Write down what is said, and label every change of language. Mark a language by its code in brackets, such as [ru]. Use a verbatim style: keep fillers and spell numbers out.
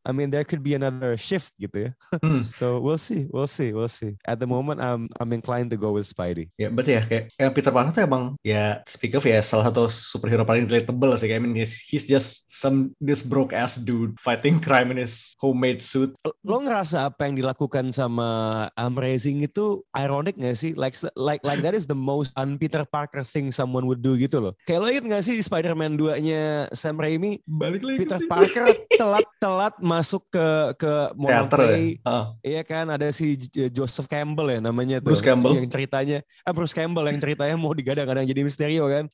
[en] I mean there could be another shift [id] gitu ya. [en] Hmm. So we'll see, we'll see, we'll see. At the moment I'm I'm inclined to go with Spidey. [id] Ya, yeah, berarti ya kayak yang Peter Parker tuh emang ya speak of ya salah satu superhero paling relatable sih. [en] I mean he's, he's just some this broke ass dude fighting crime in his homemade suit. [id] Lo ngerasa apa yang dilakukan sama Amazing itu ironic nggak sih? [en] Like like like that is the most un-Peter Parker thing someone would do [id] gitu loh. Kayak lo inget gak sih di Spider-Man two-nya Sam Raimi, balik lagi Peter Parker telat-telat masuk ke ke Monopoly. Ya? Uh. Iya kan, ada si Joseph Campbell ya namanya tuh. Bruce Campbell. Yang ceritanya, ah Bruce Campbell yang ceritanya mau digadang-gadang jadi Mysterio kan.